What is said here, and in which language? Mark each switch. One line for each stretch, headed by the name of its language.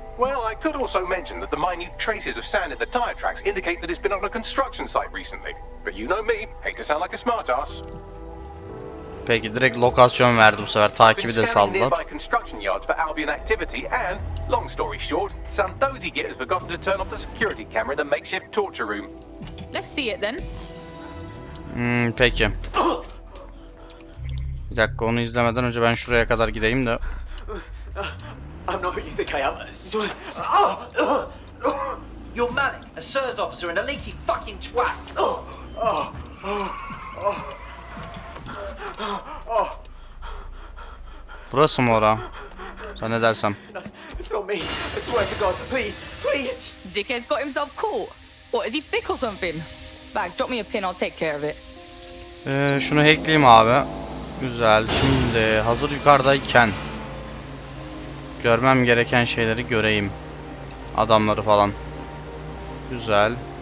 English: Well, I could also mention that the minute traces of sand in the tire tracks indicate that it's been on a construction site recently. But you know me, hate to sound like a smart ass.
Turkish: Peki direkt lokasyon verdim bu sefer. Takibi de saldılar.
English: Been scanning nearby construction yards for Albion activity and, long story short, some dozy git has forgotten to turn off the security camera in the makeshift torture room. Let's see it then.
Turkish: Peki. Bir dakika, onu izlemeden önce ben şuraya kadar gideyim de.
English: I'm not who you think I am. You're Malik, a SIRS officer and a leaky fucking twat.
Turkish: Burası mı ora? Sen ne dersem.
English: It's not me. I swear to God, please, please. Dickhead's got himself caught. What, is he thick or something?
Turkish: Bak,
English: drop me a pin, I'll take care of it.
Turkish: Şunu hackleyeyim abi. Güzel. Şimdi hazır yukarıdayken görmem gereken şeyleri göreyim. Adamları falan. Güzel.